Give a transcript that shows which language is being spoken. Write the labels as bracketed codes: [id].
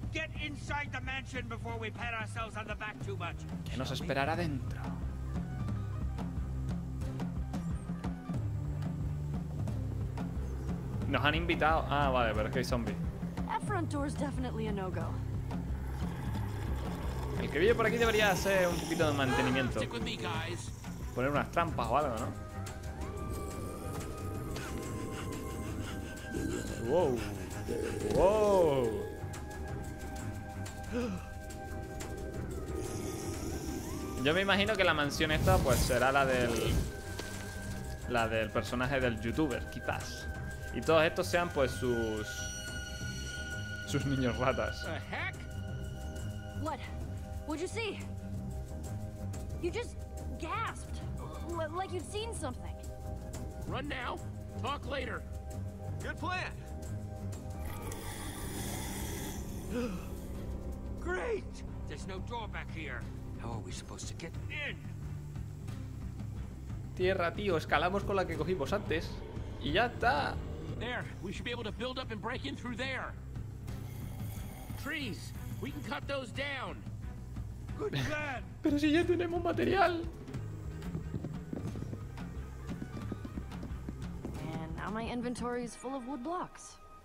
[en] get inside the mansion before we pat ourselves on the back too much. [es] ¿Qué nos esperará dentro? Nos han invitado. Ah, vale, pero es que hay zombies. [en] That front door is definitely a no-go. [es] El que vive por aquí debería hacer un poquito de mantenimiento. Poner unas trampas o algo, ¿no? [en] Wow. [es] Yo me imagino que la mansión esta pues será la del personaje del youtuber, quizás. Y todos estos sean pues sus niños ratas. [en] What? What'd you see? You just gasped. Like you've seen something. Run now. Talk later. Good plan. Great! There's no door back here. How are we supposed to get in? [es] Tierra, tío, escalamos con la que cogimos antes. Y ya está. [en] There. We should be able to build up and break in through there. Trees. We can cut those down. [es] Pero si ya tenemos material. [en] And now my inventory is full of wood blocks.